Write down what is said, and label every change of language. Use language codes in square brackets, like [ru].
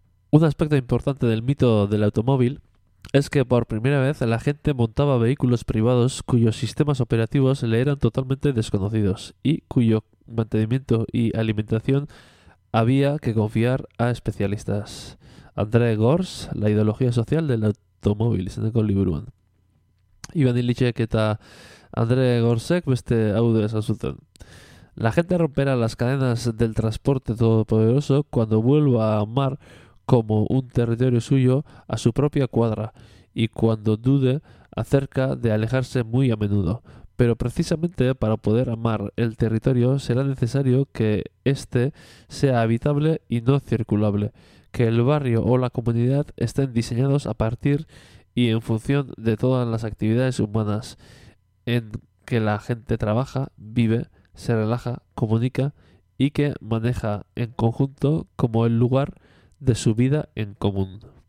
[es] Un aspecto importante del mito del automóvil es que por primera vez la gente montaba vehículos privados cuyos sistemas operativos le eran totalmente desconocidos y cuyo mantenimiento y alimentación había que confiar a especialistas. [eu] André Gors, La ideología social del automóvil, izeneko liburuan. Iban Ilitxek eta André Gorsek beste hau esan zuten. [es] La gente romperá las cadenas del transporte todopoderoso cuando vuelva a amar como un territorio suyo a su propia cuadra y cuando dude acerca de alejarse muy a menudo. Pero precisamente para poder amar el territorio será necesario que éste sea habitable y no circulable, que el barrio o la comunidad estén diseñados a partir y en función de todas las actividades humanas en que la gente trabaja, vive, se relaja, comunica y que maneja en conjunto como el lugar de su vida en común.